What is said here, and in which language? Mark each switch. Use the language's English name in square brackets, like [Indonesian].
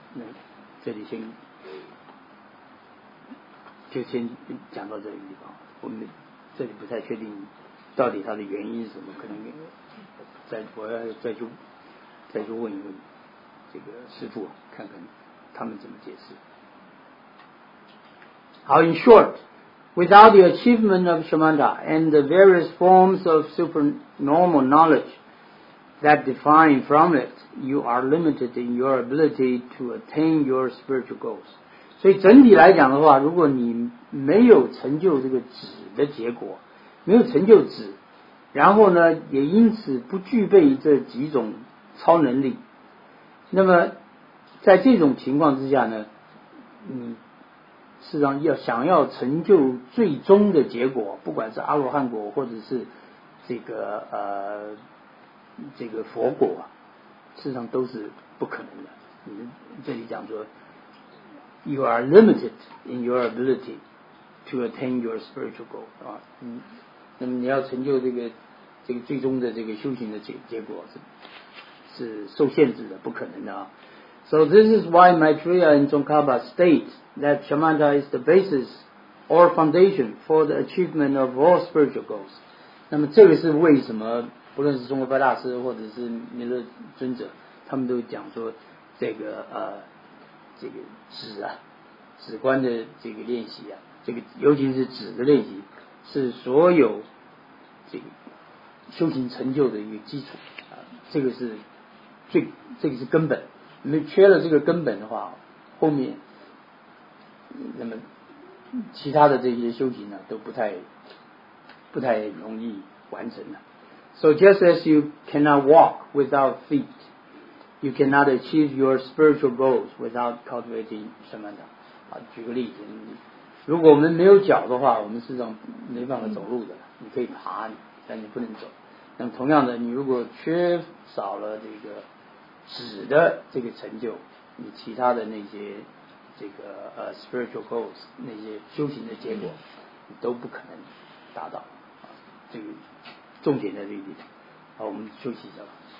[Chinese] 那这里先讲到这个地方，我们这里不太确定到底它的原因是什么，可能我要再去问一问这个师父，看看他们怎么解释。 [English] 好 ，in short, without the achievement of shamatha and the various forms of supernormal knowledge that define from it, you are limited in your ability to attain your spiritual goals. [Chinese] 所以整体来讲的话，如果你没有成就这个止的结果，没有成就止，然后呢，也因此不具备这几种超能力，那么在这种情况之下呢，你事实上要想要成就最终的结果，不管是阿罗汉果或者是这个佛果，事实上都是不可能的。你这里讲说 ， [English] you are limited in your ability to attain your spiritual goal [Chinese] 啊，那么你要成就这个最终的这个修行的结果是受限制的，不可能的啊。 [English] So this is why Maitreya and Tsongkhapa state that shamatha is the basis or foundation for the achievement of all spiritual goals. [Chinese] 那么这个是为什么？不论是中国派大师或者是弥勒尊者，他们都讲说这个止啊，止观的这个练习啊，这个尤其是止的练习，是所有这个修行成就的一个基础啊，这个是根本，没缺了这个根本的话，后面那么其他的这些修行呢，都不太容易完成了。 [English] So just as you cannot walk without feet, you cannot achieve your spiritual goals without cultivating shamatha. [Chinese] 啊，举个例子，如果我们没有脚的话，我们是这种没办法走路的。你可以爬，但你不能走。那么同样的，你如果缺少了这个止的这个成就，你其他的那些这个 [English] spiritual goals [Chinese] 那些修行的结果，你都不可能达到。啊，这个重点在这里，好，我们休息一下吧。